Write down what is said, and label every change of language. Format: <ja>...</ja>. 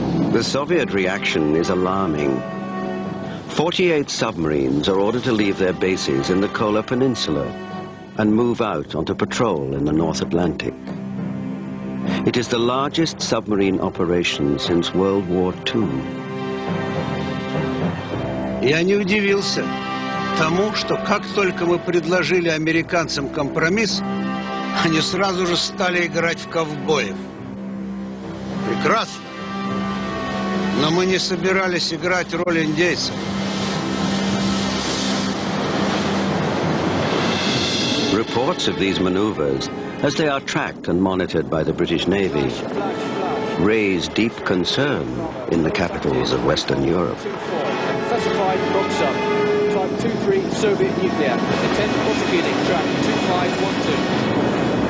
<en>The Soviet reaction is alarming. 48 submarines are ordered to leave their bases in the Kola Peninsula and move out onto patrol in the North Atlantic. It is the largest submarine operation since World War II.</en> <ru>Я не удивился тому, что как только мы предложили американцам компромисс, они сразу же стали играть в ковбоев. Прекрасно. Но мы не собирались играть роль индейцев.</ru> <en>Reports of these maneuvers, as they are tracked and monitored by the British Navy, raise deep concern in the capitals of Western Europe. Specified Boxer, Type 23 Soviet nuclear, attend prosecuting, track 2512.</en>